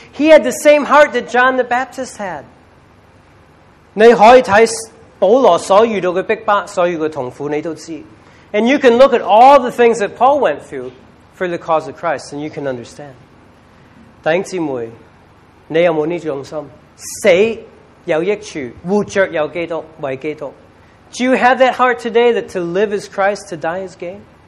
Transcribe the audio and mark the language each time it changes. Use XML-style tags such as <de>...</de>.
<en>He had the same heart that John the Baptist had.</en> <zh>你可以看保罗所遇到的逼迫，所遇到的痛苦，你都知道。</zh> <en>And you can look at all the things that Paul went through for the cause of Christ and you can understand.</en> <zh>弟兄姊妹，你有没有这种心？死有益处，活着有基督，为基督。</zh> <en>Do you have that heart today that to live is Christ, to die is gain?</en>